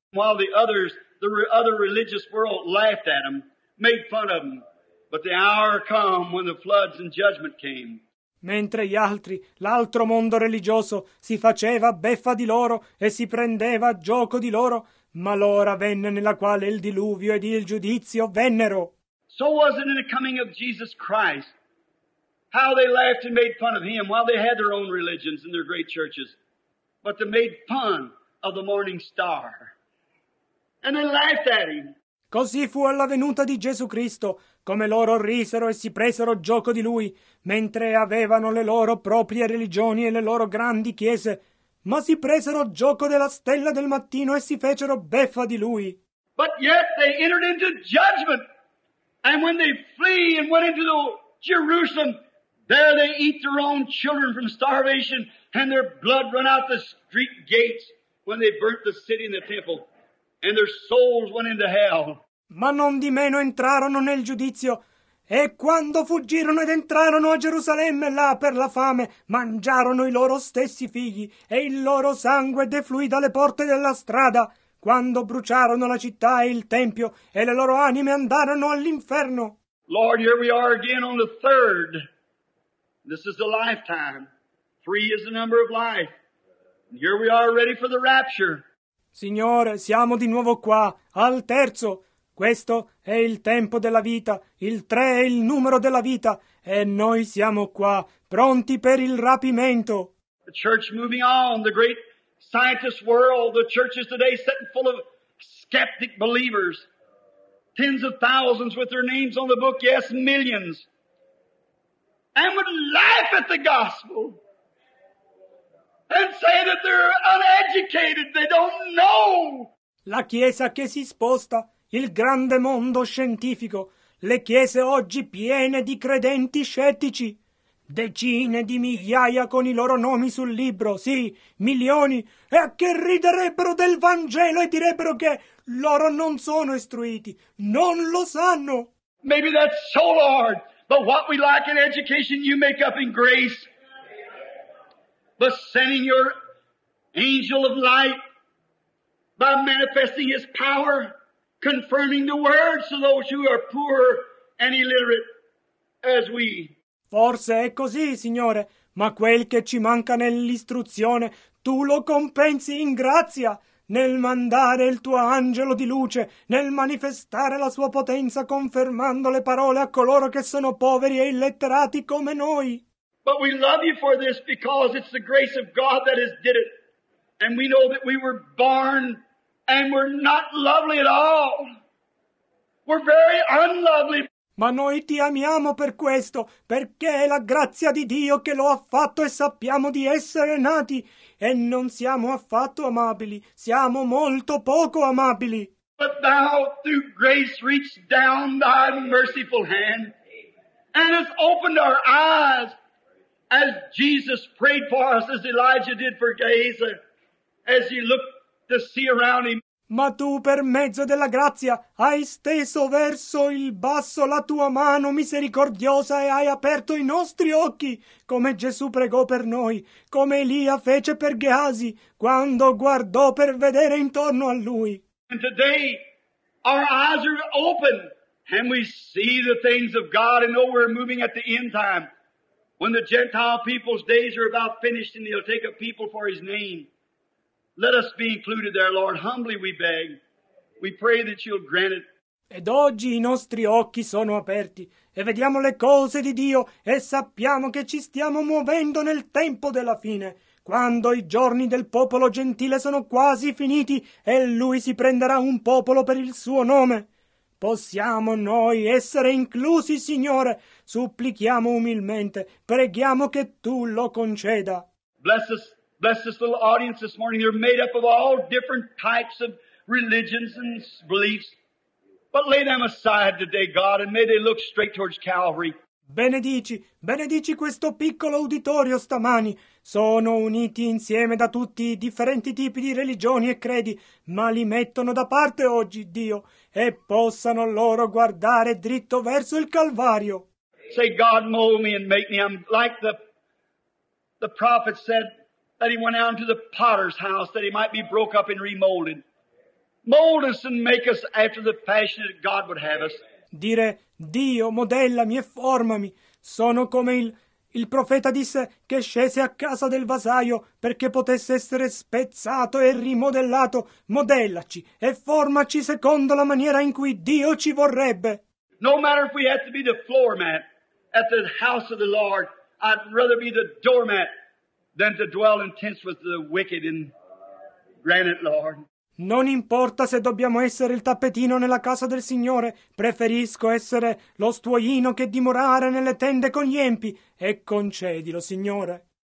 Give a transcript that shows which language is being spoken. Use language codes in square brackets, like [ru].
[en] While the others, the other religious world laughed at him, made fun of him. But the hour came when the floods and judgment came. [it] Mentre gli altri, l'altro mondo religioso, si faceva beffa di loro e si prendeva a gioco di loro, ma l'ora venne nella quale il diluvio ed il giudizio vennero. [en] So was it in the coming of Jesus Christ, how they laughed and made fun of him while they had their own religions and their great churches, but they made fun of the morning star. And they laughed at him. [it] Così fu alla venuta di Gesù Cristo, come loro risero e si presero gioco di lui, mentre avevano le loro proprie religioni e le loro grandi chiese, ma si presero gioco della stella del mattino e si fecero beffa di lui. [en] But yet they entered into judgment, and when they flee and went into the Jerusalem, there they eat their own children from starvation, and their blood run out the street gates when they burnt the city and the temple. And their souls went into hell. [it] Ma non di meno entrarono nel giudizio. E quando fuggirono ed entrarono a Gerusalemme là per la fame, mangiarono i loro stessi figli, e il loro sangue defluì dalle porte della strada, quando bruciarono la città e il tempio, e le loro anime andarono all'inferno. [en] Lord, here we are again on the third. This is the lifetime. Three is the number of life. Here we are ready for the rapture. [it] Signore, siamo di nuovo qua, al terzo. Questo è il tempo della vita, il tre è il numero della vita, e noi siamo qua, pronti per il rapimento. [en] The church moving on, the great scientist world, the church is today sitting full of skeptic believers. Tens of thousands with their names on the book, yes, millions. And would laugh at the gospel. And say that they're uneducated, they don't know. [it] La Chiesa che si sposta, il grande mondo scientifico, le chiese oggi piene di credenti scettici, decine di migliaia con i loro nomi sul libro, sì, milioni, e che riderebbero del Vangelo e direbbero che loro non sono istruiti, non lo sanno. [en] Maybe that's so, Lord, but what we lack in education you make up in grace. But sending your angel of light by manifesting his power, confirming the words to those who are poor and illiterate as we. [it] Forse è così, Signore, ma quel che ci manca nell'istruzione, tu lo compensi in grazia nel mandare il tuo angelo di luce, nel manifestare la sua potenza confermando le parole a coloro che sono poveri e illetterati come noi. [en] But we love you for this because it's the grace of God that has did it. And we know that we were born and we're not lovely at all. We're very unlovely. [it] Ma noi ti amiamo per questo, perché è la grazia di Dio che lo ha fatto e sappiamo di essere nati. E non siamo affatto amabili, siamo molto poco amabili. [en] But thou, through grace, reach down thy merciful hand and has opened our eyes. As Jesus prayed for us, as Elijah did for Gehazi, as he looked to see around him. [it] Ma tu, per mezzo della grazia, hai steso verso il basso la tua mano misericordiosa e hai aperto i nostri occhi, come Gesù pregò per noi, come Elia fece per Gehazi, quando guardò per vedere intorno a lui. [en] And today, Our eyes are open and we see the things of God and know we're moving at the end time. When the Gentile people's days are about finished and He'll take a people for His name. Let us be included there, Lord. Humbly we beg. We pray that You'll grant it. [it] Ed oggi i nostri occhi sono aperti e vediamo le cose di Dio e sappiamo che ci stiamo muovendo nel tempo della fine. Quando i giorni del popolo gentile sono quasi finiti e Lui si prenderà un popolo per il Suo nome. Possiamo noi essere inclusi, Signore. Supplichiamo umilmente. Preghiamo che Tu lo conceda. [en] Bless this little audience this morning. They're made up of all different types of religions and beliefs. But lay them aside today, God, and may they look straight towards Calvary. [it] Benedici questo piccolo uditorio stamani. Sono uniti insieme da tutti i differenti tipi di religioni e credi, ma li mettono da parte oggi, Dio, e possano loro guardare dritto verso il Calvario. [en] Say, God, mold me and make me. I'm like the prophet said that he went out to the potter's house that he might be broke up and remolded. Mold us and make us after the fashion that God would have us. [it] Dire, Dio, modellami e formami. Sono come il profeta disse che scese a casa del vasaio perché potesse essere spezzato e rimodellato. Modellaci e formaci secondo la maniera in cui Dio ci vorrebbe. [en] No matter if we have to be the floor mat at the house of the Lord, I'd rather be the doormat than to dwell in tents with the wicked in granite, Lord. [it] Non importa se dobbiamo essere il tappetino nella casa del Signore, preferisco essere lo stuoino che dimorare nelle tende con gli empi, e concedilo, Signore.